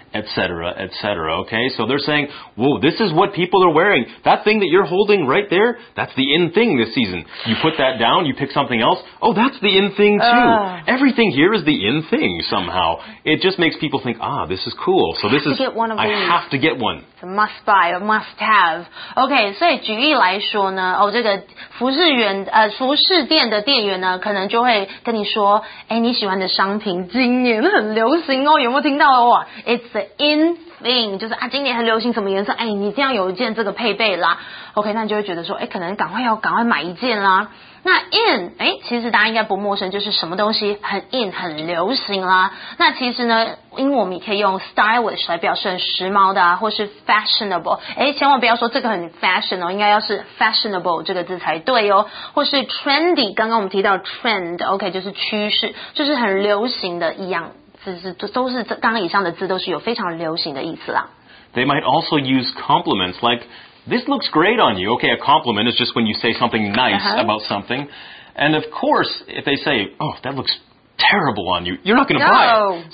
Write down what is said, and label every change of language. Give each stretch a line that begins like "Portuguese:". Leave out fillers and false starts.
English: Etc., etc. Okay, so they're saying, whoa, this is what people are wearing. That thing that you're holding right there, that's the in thing this season. You put that down, you pick something else. Oh, that's the in thing too. Everything here is the in thing somehow. It just makes people think, ah, this is cool. So this is, I have to get one. It's a must buy, a must have.
Chinese: Okay, 所以举例来说呢，哦，这个服饰员，服饰店的店员呢，可能就会跟你说，哎，你喜欢的商品今年很流行哦，有没有听到哇？
English: It'sThe in thing,
Chinese: 就是啊，今年很流行什么颜色，哎，你这样有一件这个配备啦。 OK, 那你就会觉得说，哎，可能赶快要赶快买一件啦。那 in, 哎，其实大家应该不陌生，就是什么东西很 in, 很流行啦。那其实呢，因为我们也可以用 stylish 来表示很时髦的啊，或是 fashionable, 哎，千万不要说这个很 fashion 哦，应该要是 fashionable 这个字才对哦，或是 trendy, 刚刚我们提到 trend, OK, 就是趋势，就是很流行的一样。都是刚刚以上的字都是有非常流行的意思啦。
English: They might also use compliments like, this looks great on you. Okay, a compliment is just when you say something nice about something. And of course, if they say, oh, that looks terrible on you, you're not going to buy it.